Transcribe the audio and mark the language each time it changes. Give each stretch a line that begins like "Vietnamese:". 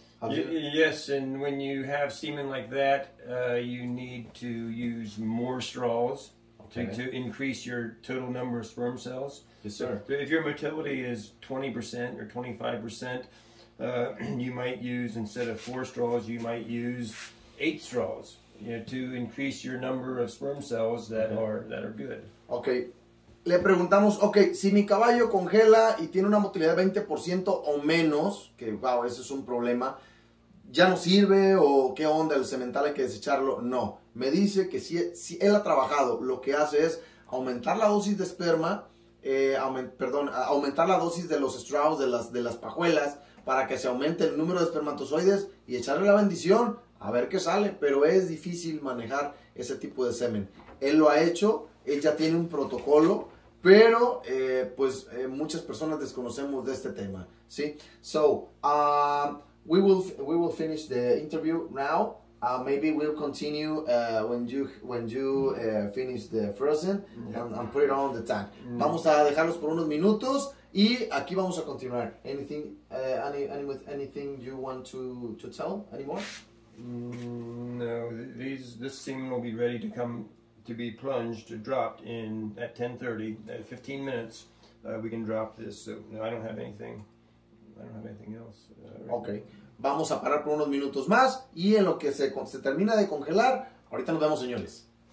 English: Yes, and when you have semen like that, you need to use more straws to increase your total number of sperm cells. Yes, sir. So if your motility is 20% or 25%, you might use, instead of 4 straws, you might use 8 straws, you know, to increase your number of sperm cells that are good. Okay.
Spanish: Le preguntamos, ok, si mi caballo congela y tiene una motilidad de 20% o menos, que wow, eso es un problema, ¿ya no sirve o qué onda? ¿El semental hay que desecharlo? No. Me dice que si él ha trabajado, lo que hace es aumentar la dosis de esperma, aumentar la dosis de los straws, de las pajuelas, para que se aumente el número de espermatozoides y echarle la bendición a ver qué sale. Pero es difícil manejar ese tipo de semen. Él lo ha hecho, él ya tiene un protocolo, pero muchas personas desconocemos de este tema, ¿sí?
English: So, we will finish the interview now. Maybe we'll continue when you finish the frozen and put it on the tank. Mm.
Spanish: Vamos a dejarlos por unos minutos y aquí vamos a continuar.
English: Anything with anything you want to tell anymore? No, this semen will be ready to come to be plunged, dropped in at 10:30, at 15 minutes, we can drop this. So no, I don't have anything else.
Spanish: Okay, vamos a parar por unos minutos más y en lo que se termina de congelar, ahorita nos vemos, señores.